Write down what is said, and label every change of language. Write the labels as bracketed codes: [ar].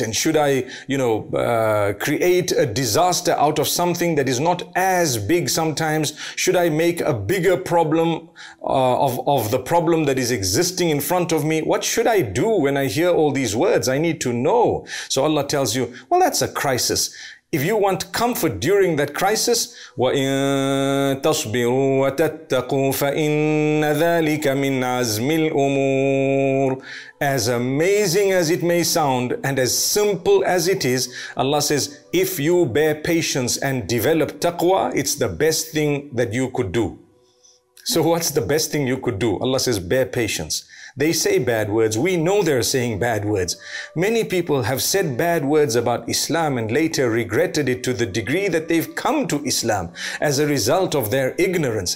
[en] And should I, you know, create a disaster out of something that is not as big sometimes? Should I make a bigger problem of the problem that is existing in front of me? What should I do when I hear all these words? I need to know. So Allah tells you, well, that's a crisis. If you want comfort during that crisis, [ar] وَإِن تَصْبِرُوا وَتَتَّقُوا فَإِنَّ ذَلِكَ مِنْ عَزْمِ الْأُمُورِ. [en] As amazing as it may sound and as simple as it is, Allah says, if you bear patience and develop taqwa, it's the best thing that you could do. So what's the best thing you could do? Allah says, bear patience. They say bad words. We know they're saying bad words. Many people have said bad words about Islam and later regretted it to the degree that they've come to Islam as a result of their ignorance.